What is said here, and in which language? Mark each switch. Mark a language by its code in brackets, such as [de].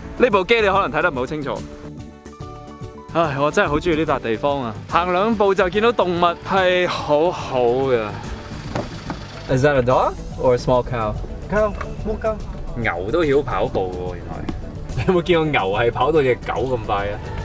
[yue] 呢部機你可能睇得唔好清楚。唉，我真係好中意呢笪地方啊！行兩步就見到動物，係好好嘅。 [en] Is that a dog or a small cow? [yue] Cow, 母狗。牛都曉跑步喎，原來。你有冇見過牛係跑到只狗咁快啊？